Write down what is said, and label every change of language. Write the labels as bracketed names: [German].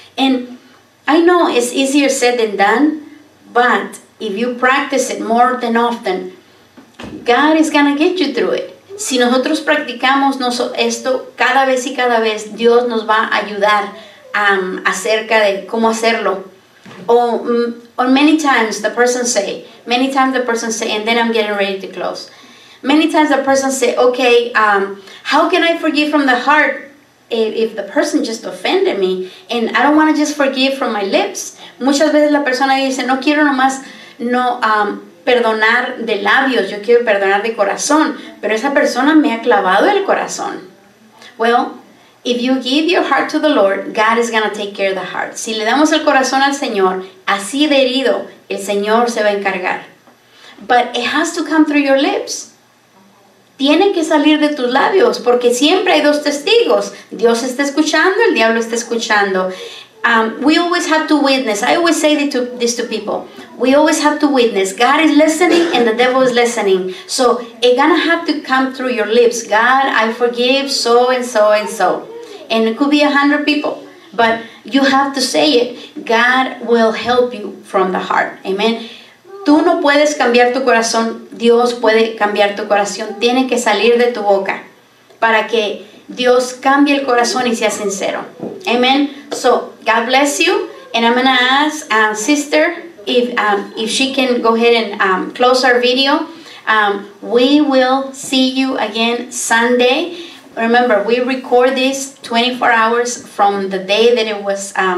[English] And I know it's easier said than done, but if you practice it more than often, God is going to get you through it. [Spanish] Si nosotros practicamos esto cada vez y cada vez, Dios nos va a ayudar acerca de cómo hacerlo. [English] Or many times the person say, and then I'm getting ready to close. Many times the person say, okay, how can I forgive from the heart if the person just offended me? And I don't want to just forgive from my lips. [Spanish] Muchas veces la persona dice, no quiero nomás no perdonar de labios, yo quiero perdonar de corazón. Pero esa persona me ha clavado el corazón. [English] Well, if you give your heart to the Lord, God is going to take care of the heart. [Spanish] Si le damos el corazón al Señor, así de herido, el Señor se va a encargar. [English] But it has to come through your lips. [Spanish] Tiene que salir de tus labios, porque siempre hay dos testigos. Dios está escuchando, el diablo está escuchando. [English] We always have to witness. I always say this to people. We always have to witness. God is listening and the devil is listening. So it's going to have to come through your lips. God, I forgive so and so and so. And it could be 100 people. But you have to say it. God will help you from the heart. Amen. [Spanish] Tú no puedes cambiar tu corazón. Dios puede cambiar tu corazón. Tiene que salir de tu boca para que Dios cambie el corazón y sea sincero. [English] Amen. So, God bless you. And I'm going to ask sister if she can go ahead and close our video. We will see you again Sunday. Remember, we record this 24 hours from the day that it was.